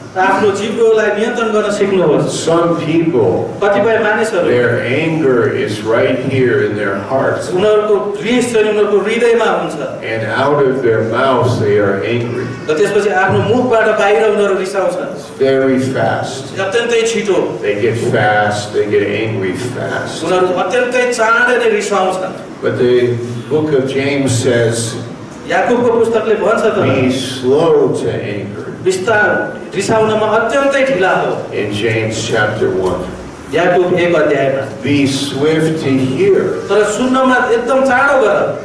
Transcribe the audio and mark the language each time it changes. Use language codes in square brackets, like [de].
[ne] आफ्नो जीवलाई नियन्त्रण गर्न सिक्नुहोस् [en] some people [ne] कतिपय मानिसहरु [en] their anger is right here in their hearts [ne] उनीहरुको द्वेष चाहिँ उनीहरुको हृदयमा हुन्छ [en] and out of their mouths they are angry [ne] त्यसपछि आफ्नो मुखबाट बाहिर उनीहरु रिसाउँछन् [en] very fast [ne] अत्यन्तै छिटो [en] they get fast they get angry fast [ne] उनीहरु अत्यन्तै चाँडै नै रिसाउँछन् [en] but the book of James says [ne] याकूबको पुस्तकले भन्छ त [en] be slow to anger [ne] विस्तार रिसाउनमा अत्यन्तै ढिला हो [en] in James chapter 1 [ne] याकूब एक अध्यायमा [en] be swift to hear [ne] तर सुन्नमा एकदम चाँडो गर